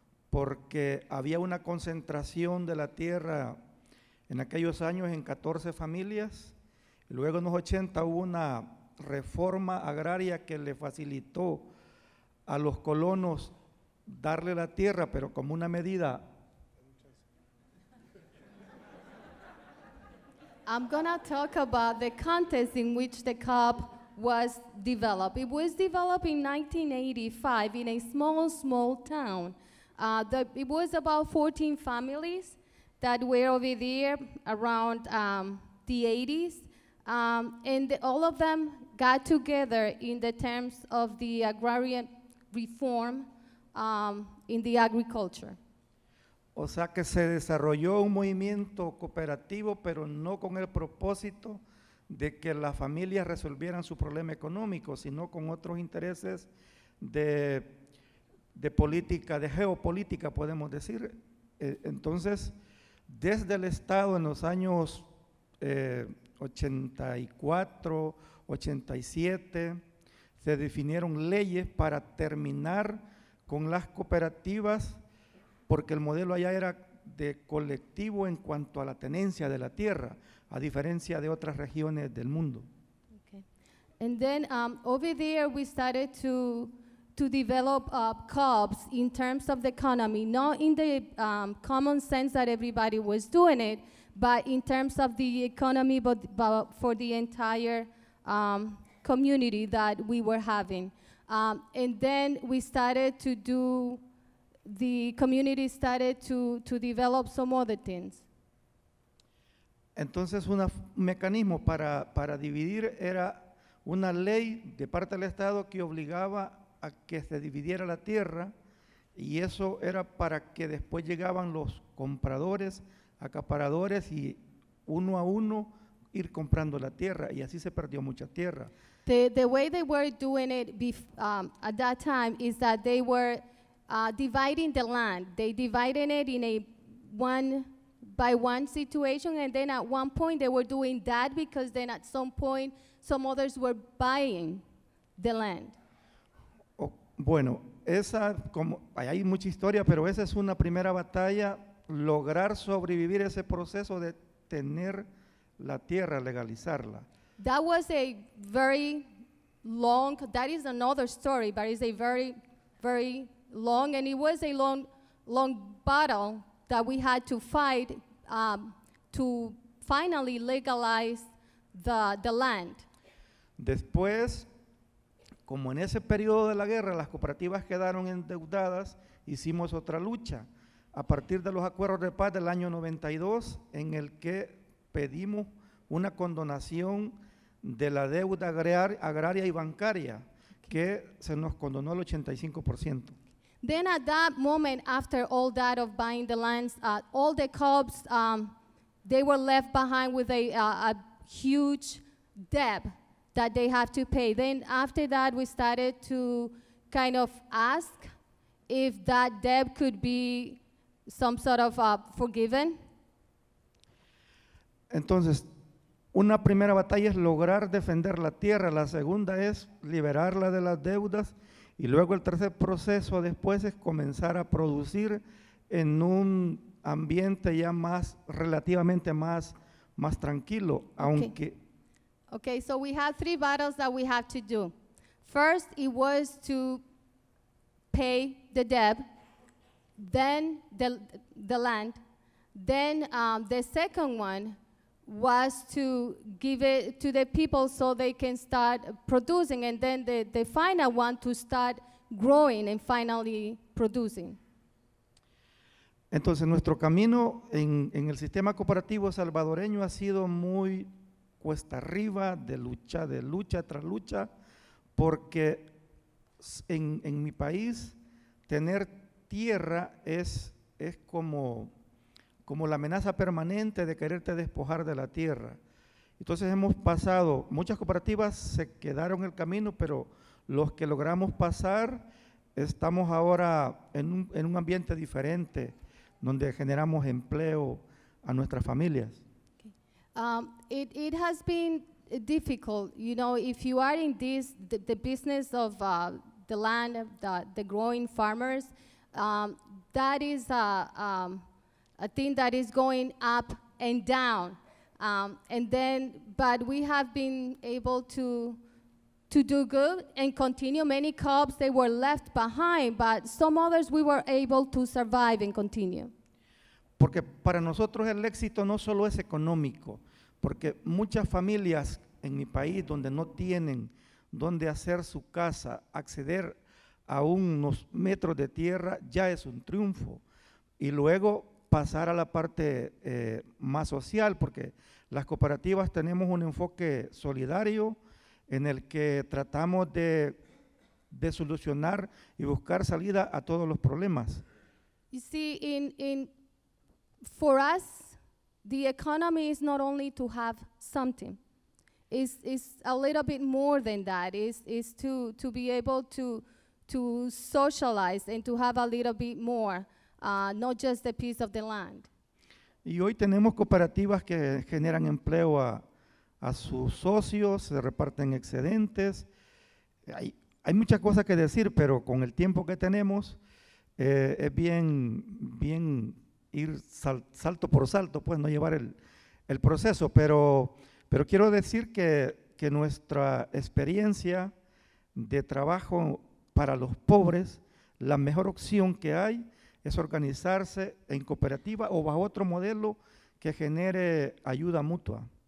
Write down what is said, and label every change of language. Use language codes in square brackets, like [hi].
[es] porque había una concentración de la tierra en aquellos años en 14 familias, y luego en los 80 hubo una reforma agraria que le facilitó a los colonos darle la tierra, pero como una medida. [en] I'm gonna talk about the context in which the co-op was developed. It was developed in 1985 in a small town. It was about 14 families that were over there around the 80s. All of them got together in the terms of the agrarian reform in the agriculture. [es] O sea que se desarrolló un movimiento cooperativo, pero no con el propósito de que las familias resolvieran su problema económico, sino con otros intereses de política, de geopolítica, podemos decir. Entonces, desde el Estado en los años 84, 87, se definieron leyes para terminar con las cooperativas, porque el modelo allá era de colectivo en cuanto a la tenencia de la tierra, a diferencia de otras regiones del mundo. [en] And then over there we started to develop COPs in terms of the economy, not in the common sense that everybody was doing it, but in terms of the economy, but for the entire community that we were having. And then we started to do, the community started to develop some other things. [es] Entonces un mecanismo para dividir era una ley de parte del Estado que obligaba a que se dividiera la tierra, y eso era para que después llegaban los compradores, acaparadores, y uno a uno ir comprando la tierra, y así se perdió mucha tierra. [en] The way they were doing it at that time is that they were dividing the land. They divided it in a one by one situation, and then at one point they were doing that because then at some point some others were buying the land. [es] Oh, bueno, esa, como hay mucha historia, pero esa es una primera batalla, lograr sobrevivir ese proceso de tener la tierra, legalizarla. [en] That was a very long, that is another story, but it's a very, very long, and it was a long, long battle that we had to fight to finally legalize the land. [es] Después, como en ese periodo de la guerra las cooperativas quedaron endeudadas, hicimos otra lucha a partir de los acuerdos de paz del año 92, en el que pedimos una condonación de la deuda agraria y bancaria, que se nos condonó el 85%. [en] Then at that moment, after all that of buying the lands, all the co-ops, they were left behind with a huge debt that they have to pay. Then after that, we started to kind of ask if that debt could be some sort of forgiven. [es] Entonces, una primera batalla es lograr defender la tierra. La segunda es liberarla de las deudas. Y luego el tercer proceso después es comenzar a producir en un ambiente ya más, relativamente más tranquilo, aunque... [en] Okay, so we have three battles that we have to do. First, it was to pay the debt, then the land, then the second one was to give it to the people so they can start producing, and then the final one to start growing and finally producing. [es] Entonces, nuestro camino en el sistema cooperativo salvadoreño ha sido muy cuesta arriba, de lucha tras lucha, porque en mi país tener tierra es como la amenaza permanente de quererte despojar de la tierra. Entonces hemos pasado, muchas cooperativas se quedaron en el camino, pero los que logramos pasar estamos ahora en un ambiente diferente, donde generamos empleo a nuestras familias. [en] It has been difficult, you know, if you are in this, the business of the land, the growing farmers, that is a thing that is going up and down. But we have been able to do good and continue. Many co-ops, they were left behind, but some others we were able to survive and continue. [es] Porque para nosotros el éxito no solo es económico, porque muchas familias en mi país donde no tienen donde hacer su casa, acceder a unos metros de tierra, ya es un triunfo. Y luego pasar a la parte más social, porque las cooperativas tenemos un enfoque solidario en el que tratamos de solucionar y buscar salida a todos los problemas. [en] You see, in for us, the economy is not only to have something. It's a little bit more than that. It's to be able to socialize and to have a little bit more, not just the piece of the land. [es] Y hoy tenemos cooperativas que generan empleo a sus socios, se reparten excedentes, Hay muchas cosas que decir, pero con el tiempo que tenemos, es bien ir salto por salto, pues no llevar el proceso, pero quiero decir que nuestra experiencia de trabajo para los pobres, la mejor opción que hay es organizarse en cooperativa o bajo otro modelo que genere ayuda mutua.